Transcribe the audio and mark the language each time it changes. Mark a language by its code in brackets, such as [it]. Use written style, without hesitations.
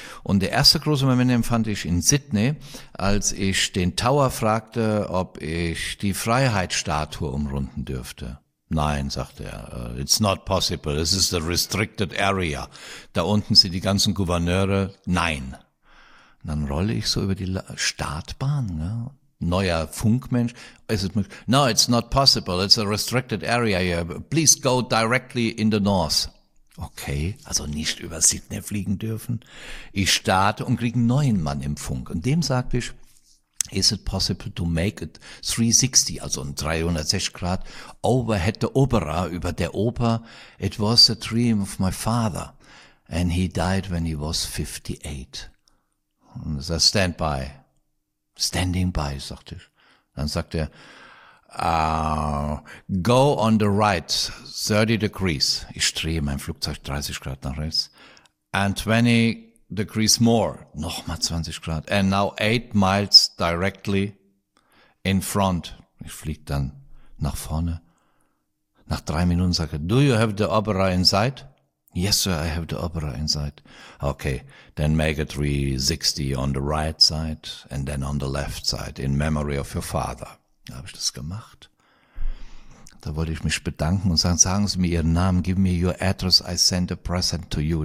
[de] Und der erste große Moment empfand ich in Sydney, als ich den Tower fragte, ob ich die Freiheitsstatue umrunden dürfte. Nein, sagte er, [en] it's not possible, this is a restricted area. [de] Da unten sind die ganzen Gouverneure, nein. Und dann rolle ich so über die Startbahn, ne? Neuer Funkmensch. [en] No, it's not possible, it's a restricted area here, please go directly in the north. [de] Okay, also nicht über Sydney fliegen dürfen. Ich starte und kriege einen neuen Mann im Funk. Und dem sagte ich, [en] is it possible to make it 360, [de] also ein 360 Grad [en] overhead the opera, [de] über der Oper? [en] It was a dream of my father and he died when he was 58. [de] Und er sagt, [en] stand by. Standing by, [de] sagte ich. Dann sagt er, [en] go on the right, 30 degrees. [de] Ich drehe mein Flugzeug 30 Grad nach rechts. [en] And 20 degrees more, [de] nochmal 20 Grad, [en] and now 8 miles directly in front. [de] Ich flieg dann nach vorne. Nach 3 Minuten sage ich, [en] do you have the opera inside? Yes, sir, I have the opera inside. Okay, then make a 360 on the right side and then on the left side in memory of your father. [de] Da habe ich das gemacht. Da wollte ich mich bedanken und sagen, sagen Sie mir Ihren Namen, [en] give me your address, I send a present to you.